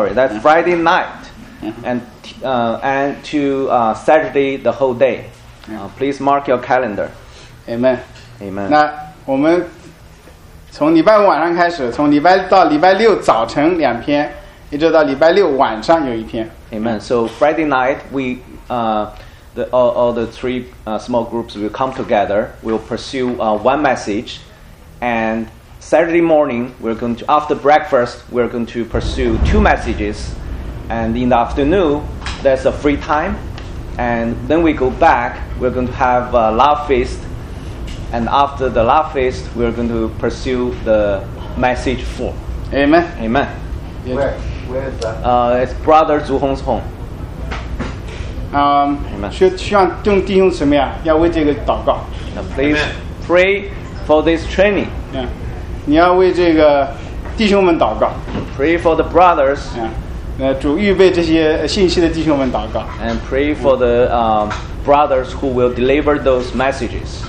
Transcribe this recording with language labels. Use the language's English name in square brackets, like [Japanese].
[English] That's Friday night, and to Saturday the whole day. Please mark your calendar. Amen. Amen. [Chinese] 那我们从礼拜五晚上开始，从礼拜到礼拜六早晨两篇，一直到礼拜六晚上有一篇。 [English] Amen. So Friday night, all the three small groups will come together. We'll pursue one message, and Saturday morning, after breakfast, we're going to pursue two messages. And in the afternoon, there's a free time. And then we go back, we're going to have a love feast. And after the love feast, we're going to pursue the message four. Amen. Amen. Where is that? It's Brother Zhu Hong's home. Amen. [Chinese] 需要弟兄姊妹啊，要为这个祷告。 [English] Now, please pray for this training. Yeah. [Chinese] 你要为这个弟兄们祷告。 [English] Pray for the brothers. [Chinese] 主预备这些信息的弟兄们祷告。 [English] And pray for the brothers who will deliver those messages.